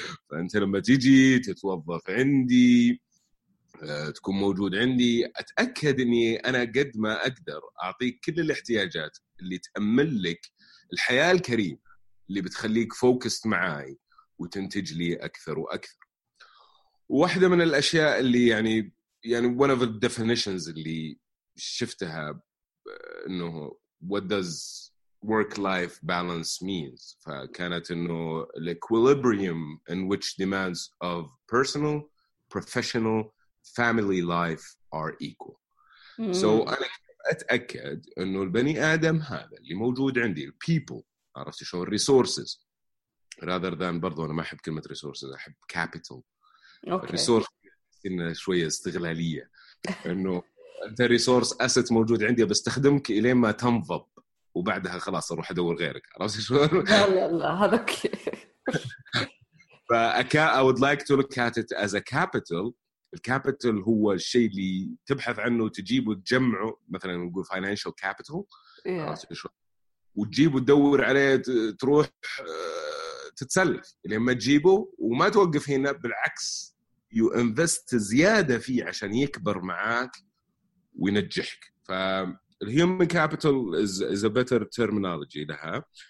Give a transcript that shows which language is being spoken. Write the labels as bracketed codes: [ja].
[ar] فانت لما تيجي تتوظف عندي تكون موجود عندي، أتأكد أني أنا قد ما أقدر أعطيك كل الاحتياجات اللي تأمل لك الحياة الكريمة اللي بتخليك فوكست معاي وتنتج لي أكثر وأكثر. واحدة من الأشياء اللي يعني [en] one of the definitions [ar] اللي شفتها أنه [en] what does work-life balance means، [ar] فكانت أنه [en] the equilibrium in which demands of personal, professional, family life are equal. [ar] So أنا أتأكد إنه البني آدم هذا اللي موجود عندي the people، عرفت شلون، [en] resources rather than، [ar] برضو أنا ما أحب كلمة resources، أحب capital. resource إنه شوية استغلالية، إنه أنت resource asset موجود عندي بستخدمك إلين ما تنضب وبعدها خلاص أروح أدور غيرك، عرفت شلون. لا هذا كي [en] I would like to look at it as a capital. [ar] الكابيتال هو الشيء اللي تبحث عنه وتجيبه وتجمعه، مثلا نقول [en] financial capital. yeah. [ar] وتجيبه وتدور عليه تروح تتسلف لما تجيبه وما توقف هنا، بالعكس [en] you invest [ar] زيادة فيه عشان يكبر معاك وينجحك. [en] فالhuman capital is a better terminology [ar] لها.